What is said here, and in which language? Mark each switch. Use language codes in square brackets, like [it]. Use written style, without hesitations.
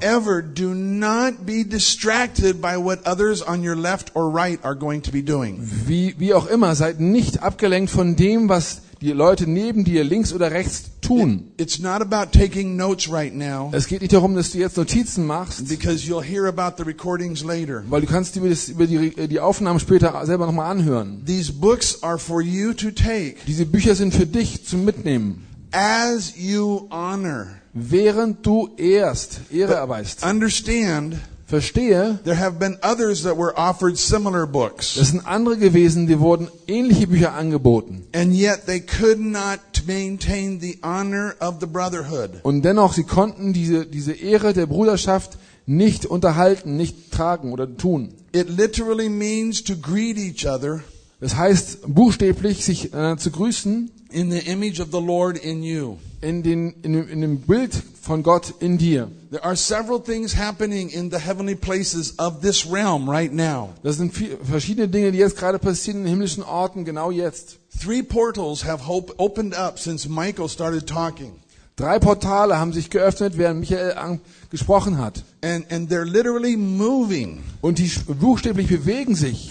[en] However, do not be distracted by what others on your left or right are going to be doing. [de] Wie auch immer, seid nicht abgelenkt von dem, was die Leute neben dir links oder rechts tun. [en] It's not about taking notes right now. [de] Es geht nicht darum, dass du jetzt Notizen machst. [en] Because you'll hear about the recordings later. [de] Weil du kannst über die Aufnahmen später selber nochmal anhören. [en] These books are for you to take. [de] Diese Bücher sind für dich zum Mitnehmen. [en] As you honor. [de] Während du ehrst, Ehre erweist. [en] Understand. [de] Verstehe. [en] There have been others that were offered similar books. [de] Es sind andere gewesen, die wurden ähnliche Bücher angeboten. [en] And yet they could not maintain the honor of the brotherhood. [de] Und dennoch, sie konnten diese Ehre der Bruderschaft nicht unterhalten, nicht tragen oder tun. [en] It literally means to greet each other. [de] Das heißt buchstäblich sich zu grüßen. [en] In the image of the Lord in you. [de] In dem Bild von Gott in dir. [en] There are several things happening in the heavenly places of this realm right now. [de] Das sind verschiedene Dinge, die jetzt gerade passieren in himmlischen Orten genau jetzt. [en] Three portals have opened up since Michael started talking. [de] Drei Portale haben sich geöffnet, während Michael gesprochen hat. [en] And they're literally moving. [de] Und die buchstäblich bewegen sich.